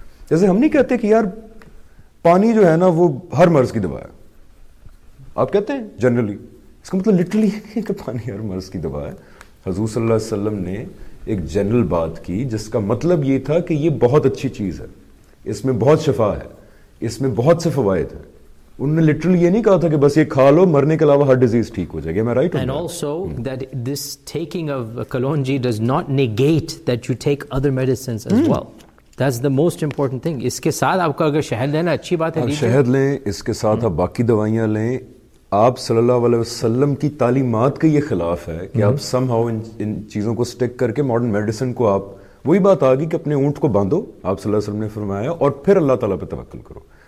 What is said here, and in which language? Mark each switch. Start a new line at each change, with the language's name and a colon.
Urdu: جیسے ہم نہیں کہتے کہ یار پانی جو ہے نا وہ ہر مرض کی دوا ہے، آپ کہتے ہیں جنرلی، اس کا مطلب لٹرلی ہے کہ پانی ہر مرض کی دوا ہے. حضور صلی اللہ علیہ وسلم نے ایک جنرل بات کی جس کا مطلب یہ تھا کہ یہ بہت اچھی چیز ہے، اس میں بہت شفا ہے، اس میں بہت سے فوائد ہیں. انہوں نے لٹرلی یہ نہیں کہا تھا کہ بس یہ کھا لو، مرنے کے علاوہ ہر ڈیزیز ٹھیک ہو جائے گی. میں رائٹ ہوں؟
English: And also that this taking of kalonji does not negate that you take other medicines as well. That's the most important thing.
Urdu: اس کے ساتھ آپ کا اگر شہد لینا اچھی بات ہے، شہد لیں، اس کے ساتھ آپ باقی دوائیاں لیں. آپ صلی اللہ علیہ وسلم کی تعلیمات کے یہ خلاف ہے کہ آپ سم ہاؤ ان چیزوں کو سٹک کر کے ماڈرن میڈیسن کو، آپ وہی بات آ گئی کہ اپنے اونٹ کو باندھو، آپ صلی اللہ علیہ وسلم نے فرمایا، اور پھر اللہ تعالیٰ پہ توکل کرو.